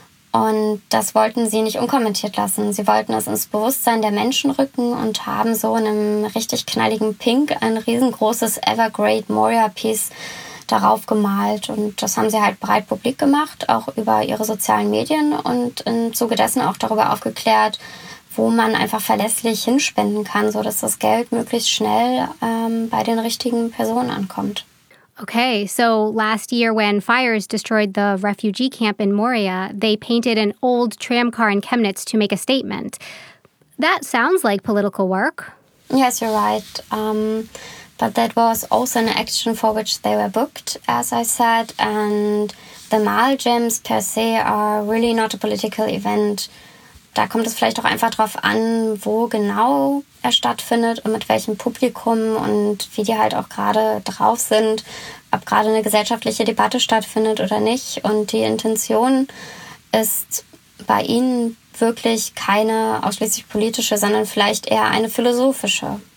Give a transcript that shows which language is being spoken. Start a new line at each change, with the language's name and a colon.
German: Und das wollten sie nicht unkommentiert lassen. Sie wollten es ins Bewusstsein der Menschen rücken und haben so in einem richtig knalligen Pink ein riesengroßes Evergreat Moria Piece darauf gemalt. Und das haben sie halt breit publik gemacht, auch über ihre sozialen Medien und im Zuge dessen auch darüber aufgeklärt, wo man einfach verlässlich hinspenden kann, sodass das Geld möglichst schnell bei den richtigen Personen ankommt.
English: Okay, so last year when fires destroyed the refugee camp in Moria, they painted an old tram car in Chemnitz to make a statement. That sounds like political work. Yes, you're right. But that was also an action for which they were booked, as I said. And the Mile Jams per se are really not a political event.
German: Da kommt es vielleicht auch einfach drauf an, wo genau er stattfindet und mit welchem Publikum und wie die halt auch gerade drauf sind, ob gerade eine gesellschaftliche Debatte stattfindet oder nicht. Und die Intention ist bei ihnen wirklich keine ausschließlich politische, sondern vielleicht eher eine philosophische.